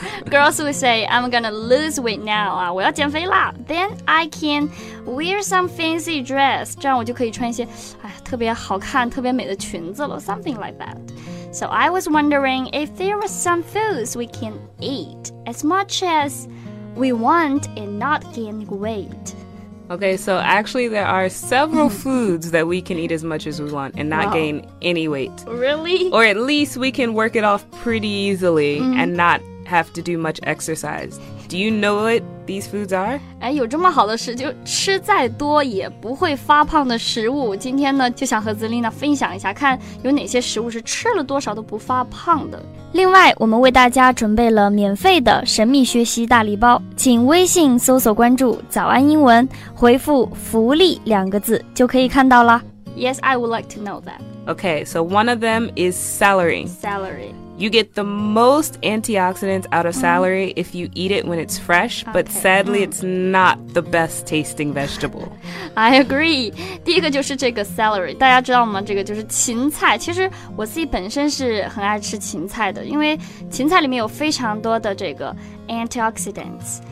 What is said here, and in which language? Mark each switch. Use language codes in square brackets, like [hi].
[en] Girls will say, I'm gonna lose weight now. [zh] 我要减肥啦。 [en] Then I can wear some fancy dress. [zh] 这样我就可以穿一些特别好看、特别美的裙子了。 [en] Something like that. So I was wondering if there were some foods we can eat as much as we want and not gain weight. Okay, so actually there are several foods that we can eat as much as we want and not gain any weight. Really? Or at least we can work it off pretty easily and not have to do much exercise. Do you know what these foods are? [zh] 哎，有这么好的事，就吃再多也不会发胖的食物。今天呢，就想和Zelina分享一下，看有哪些食物是吃了多少都不发胖的。另外，我们为大家准备了免费的神秘学习大礼包，请微信搜索关注早安英文，回复福利两个字就可以看到了。 [en] Yes, I would like to know that. Okay, so one of them is celery. Celery. You get the most antioxidants out of celery if you eat it when it's fresh, but sadly, it's not the best tasting vegetable. I agree. [zh] 第一个就是这个 celery, 大家知道吗？这个就是芹菜。其实我自己本身是很爱吃芹菜的，因为芹菜里面有非常多的这个 antioxidants。